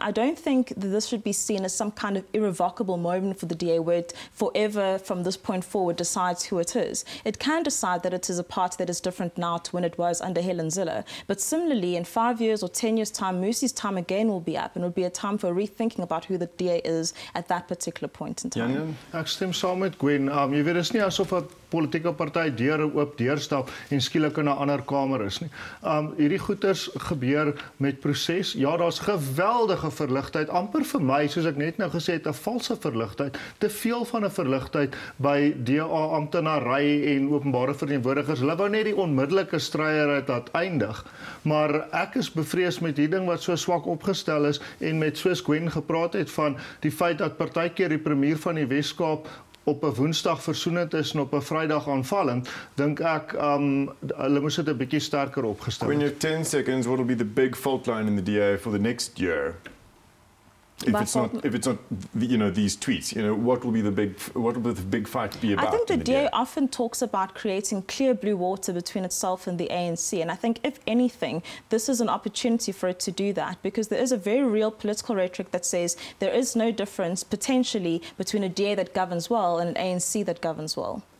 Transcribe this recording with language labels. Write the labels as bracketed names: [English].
[English] I don't think that this should be seen as some kind of irrevocable moment for the DA where it forever, from this point forward, decides who it is. It can decide that it is a party that is different now to when it was under Helen Zille. But similarly, in 5 years or 10 years' time, Musi's time again will be up, and it will be a time for rethinking about who the DA is at that particular point in time. [Afrikaans] Ek stem saam met Gwen. Jy weet, dit is nie asof politieke party deur oop deurstap en skielik in 'n ander kamer is nie. Hierdie goeters gebeur met proses. Ja, daar's geweldige verligtheid, amper vir my soos ek net nou gesê het, 'n valse verligtheid, te veel van 'n verligtheid by DA amptenary en openbare verteenwoordigers. Hulle wou net die onmiddellike stryd laat eindig. Maar ek is bevrees met hierdie ding wat so swak opgestel is en met soos Gwen gepraat het van die feit dat partykeer die premier van die Weskaap op 'n Woensdag versoenend is en op 'n Vrydag aanvallend, dink ek hulle moes dit 'n bietjie sterker opgestel. [English] When you 10 seconds, what will be the big fault line in the DA for the next year? If it's not these tweets, you know, what will the big fight be about? I think the DA often talks about creating clear blue water between itself and the ANC, and I think if anything, this is an opportunity for it to do that, because there is a very real political rhetoric that says there is no difference potentially between a DA that governs well and an ANC that governs well.